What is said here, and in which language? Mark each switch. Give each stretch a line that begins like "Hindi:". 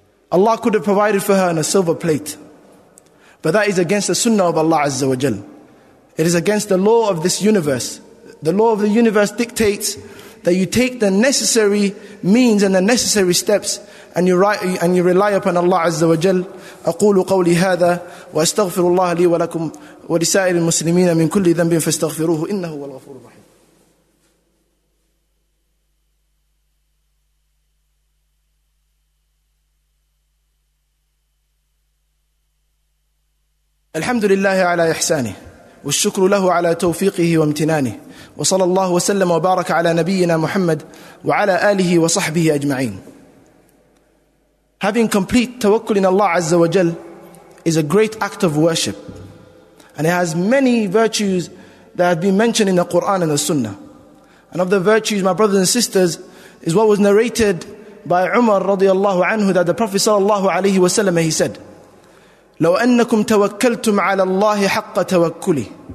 English: Allah could have provided for her on a silver plate. But that is against the sunnah of Allah Azza wa Jal. It is against the law of this universe. The law of the universe dictates that you take the necessary means and the necessary steps and you rely upon Allah Azza wa Jal.
Arabic: أقول قولي هذا وأستغفر الله لي ولكم ولسائر المسلمين من كل ذنب فاستغفروه إنه هو الغفور الرحيم. الحمد لله على إحسانه والشكر له على توفيقه وامتنانه وصلى الله وسلم وبارك على نبينا محمد وعلى آله وصحبه أجمعين.
English: Having complete tawakkul in Allah Azza wa Jal is a great act of worship, and it has many virtues that have been mentioned in the Quran and the Sunnah. And of the virtues, my brothers and sisters, is what was narrated by Umar radiallahu anhu, that the Prophet sallallahu alayhi wa sallam, he said,
Arabic: لو أنكم توكلتم على الله حق توكله.